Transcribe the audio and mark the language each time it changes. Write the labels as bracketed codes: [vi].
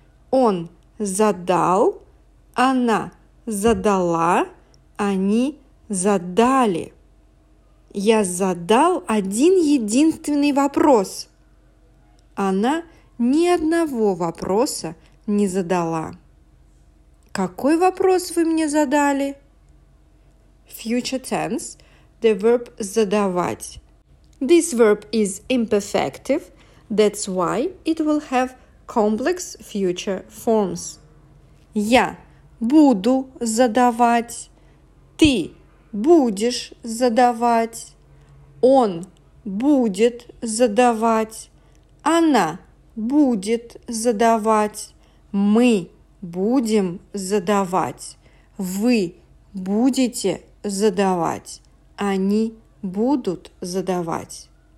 [ru] Он задал, она задала, они задали. Я задал один единственный вопрос. Она ни одного вопроса не задала. Какой вопрос вы мне задали? [en] Future tense – the verb «задавать». This verb is imperfective, that's why it will have complex future forms. [ru] Я буду задавать, ты будешь задавать, он будет задавать, она будет задавать, мы будем задавать, вы будете задавать, они будут задавать.